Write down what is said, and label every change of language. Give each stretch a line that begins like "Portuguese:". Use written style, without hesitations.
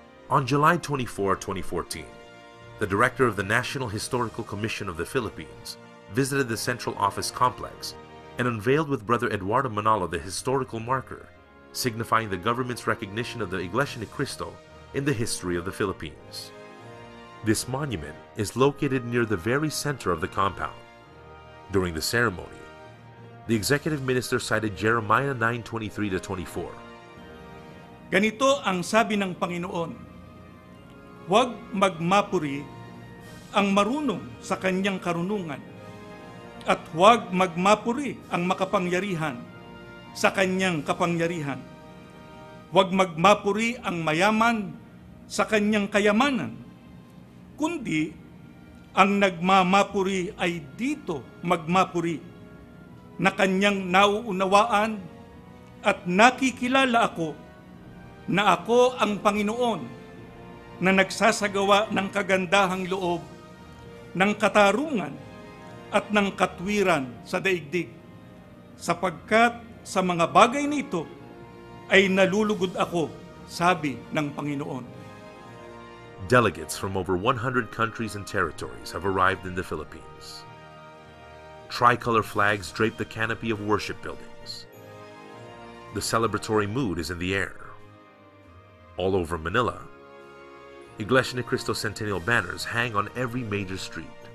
English: On July 24, 2014, the director of the National Historical Commission of the Philippines visited the central office complex and unveiled with Brother Eduardo Manalo the historical marker signifying the government's recognition of the Iglesia Ni Cristo in the history of the Philippines. This monument is located near the very center of the compound. During the ceremony, the executive minister cited Jeremiah 9:23-24.
Filipino: Ganito ang sabi ng Panginoon, huwag magmapuri ang marunong sa kanyang karunungan at huwag magmapuri ang makapangyarihan sa kanyang kapangyarihan. Huwag magmapuri ang mayaman sa kanyang kayamanan, kundi ang nagmamapuri ay dito magmapuri na kanyang nauunawaan at nakikilala ako na ako ang Panginoon na nagsasagawa ng kagandahang loob, ng katarungan at ng katwiran sa daigdig, sapagkat sa mga bagay nito ay nalulugod ako, sabi ng Panginoon.
English: Delegates from over 100 countries and territories have arrived in the Philippines. Tricolor flags drape the canopy of worship buildings. The celebratory mood is in the air. All over Manila, Iglesia Ni Cristo Centennial banners hang on every major street.